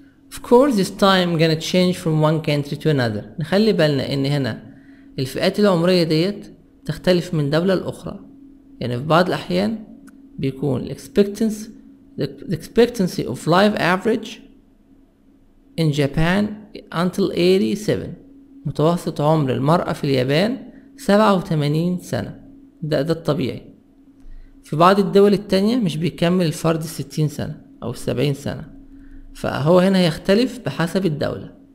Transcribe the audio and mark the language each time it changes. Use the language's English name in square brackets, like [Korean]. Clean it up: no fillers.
[English] Of course, this time gonna change from one country to another. [Arabic] نخلي بالنا ان هنا الفئات العمرية ديت تختلف من دولة الأخرى. يعني في بعض الأحيان بيكون [English] the expectancy of life average in Japan until 87. [Arabic] متوسط عمر المرأة في اليابان 87 سنة. ده الطبيعي. في بعض الدول التانية مش بيكمل الفرد 60 سنة أو 70 سنة. فهو هنا يختلف بحسب الدولة.